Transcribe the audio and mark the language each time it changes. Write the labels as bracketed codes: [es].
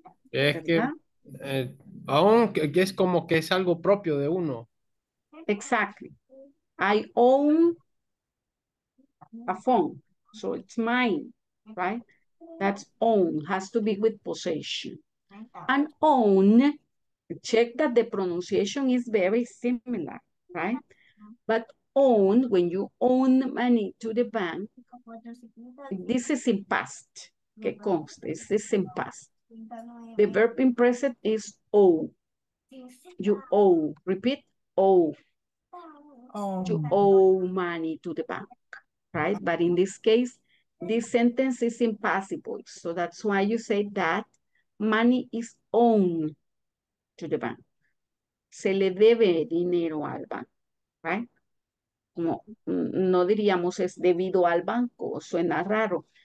[es] Es que aunque es como que es algo propio de uno. [en] Exactly. I own a phone, so it's mine, right? That's own, has to be with possession. And own, check that the pronunciation is very similar, right? But own, when you own money to the bank, this is in past, [es] que conste, [en] this is in past. The verb in present is owe. You owe, repeat, owe. to owe money to the bank, right? But in this case, this sentence is impossible. So that's why you say that money is owned to the bank. [es] Se le debe dinero al banco, right? Como no diríamos es debido al banco, suena raro.